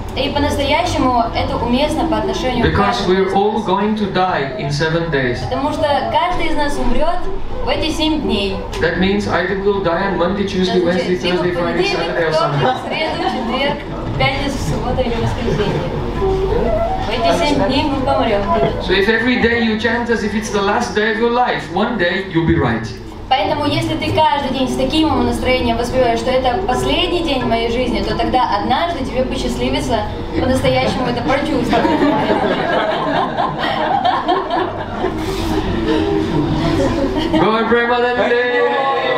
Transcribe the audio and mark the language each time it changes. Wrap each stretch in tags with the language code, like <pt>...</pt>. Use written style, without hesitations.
<ru>И по-настоящему это уместно по отношению</ru> <en>Because</en> <ru>к каждому.</ru> <en>Because we're all going to die in 7 days.</en> <ru>Потому что каждый из нас умрет в эти 7 дней.</ru> <en>That means either we'll die on Monday, Tuesday, Wednesday, Thursday, Friday, Saturday, Sunday. So if every day you chant as if it's the last day of your life, one day you'll be right.</en> <ru>Поэтому если ты каждый день с таким настроением воспеваешь, что это последний день моей жизни, то тогда однажды тебе посчастливится по-настоящему это прочувствовать.</ru>